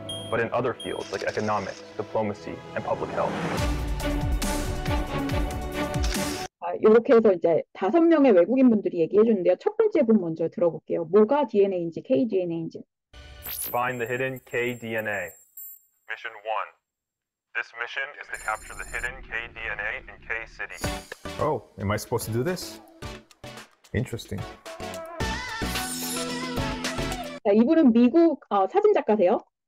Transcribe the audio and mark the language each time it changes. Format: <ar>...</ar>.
<en>But in other fields like economics, diplomacy, and public health.</en> <ko>이렇게 해서 이제 다섯 명의 외국인 분들이 얘기해 주는데요. 첫 번째 분 먼저 들어볼게요. 뭐가 DNA인지, KDNA인지.</ko> <en>Find the hidden KDNA. Mission 1. This mission is to capture the hidden KDNA in K City. Oh, am I supposed to do this? Interesting.</en> <ko>자, 이분은 미국 사진 작가세요.</ko>